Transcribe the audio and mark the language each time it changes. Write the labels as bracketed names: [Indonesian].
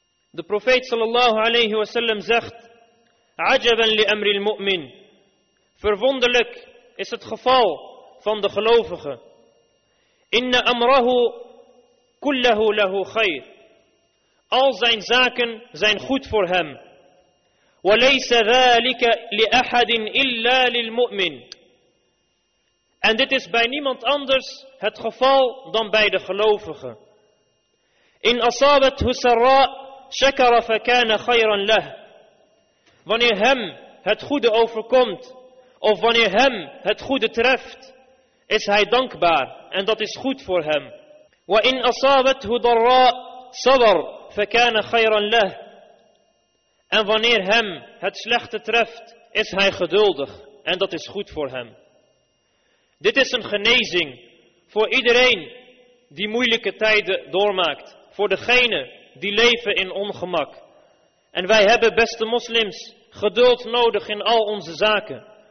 [Dutch] De profeet sallallahu alayhi wa sallam zegt: [Arabic] عجبًا لأمر المؤمن. [Dutch] Verwonderlijk is het geval van de gelovige. [Arabic] إن أمره كله له خير. [Dutch] Al zijn zaken zijn goed voor hem. [Arabic] وليس ذلك لأحد إلا للمؤمن. [Dutch] En dit is bij niemand anders het geval dan bij de gelovige. [Arabic] إن أصابته سراء شكر فكان خيرا له. [Dutch] Wanneer hem het goede overkomt, of wanneer hem het goede treft, is hij dankbaar en dat is goed voor hem. [Arabic] وإن أصابته ضراء صبر فكان خيرا له. [Dutch] En wanneer hem het slechte treft, is hij geduldig en dat is goed voor hem. Dit is een genezing voor iedereen die moeilijke tijden doormaakt, voor degene die leven in ongemak. En wij hebben, beste moslims, geduld nodig in al onze zaken.